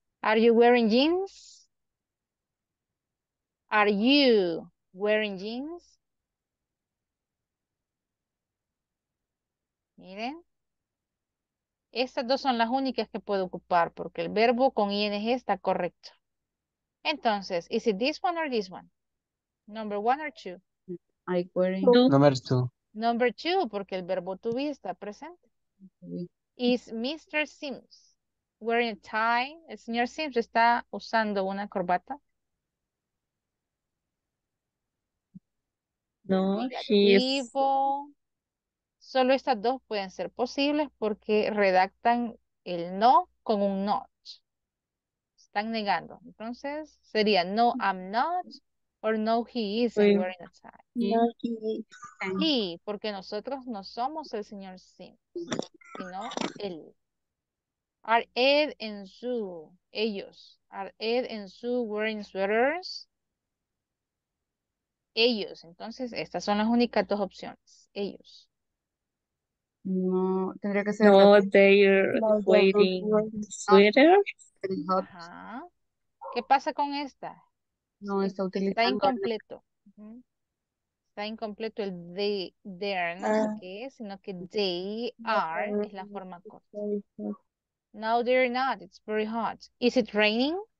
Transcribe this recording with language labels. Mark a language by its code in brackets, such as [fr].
[en] Are you wearing jeans? Are you wearing jeans? [es] Miren. Estas dos son las únicas que puedo ocupar porque el verbo con ing está correcto. Entonces, [en] is it this one or this one? Number one or two? I wearing number two. Number two, [es] porque el verbo to be está presente. [en] Is Mr. Sims wearing a tie? [es] ¿El señor Sims está usando una corbata? No, negativo. Solo estas dos pueden ser posibles porque redactan el no con un not. Están negando. Entonces, sería [en] no, I'm not. Or no, he isn't wearing a tie. No, he isn't. He, [es] porque nosotros no somos el señor Sims, sino él. [en] Are Ed and Sue, [es] ellos, [en] are Ed and Sue wearing sweaters? [es] Ellos, entonces estas son las únicas dos opciones, ellos. No, tendría que ser. [en] No, they're wearing sweaters. [es] Ajá. ¿Qué pasa con esta? No, está utilizando. Está incompleto. Uh-huh. Está incompleto el they, there, no sé qué, sino que they are es la forma corta. [en] No, they're not. It's very hot. Is it raining?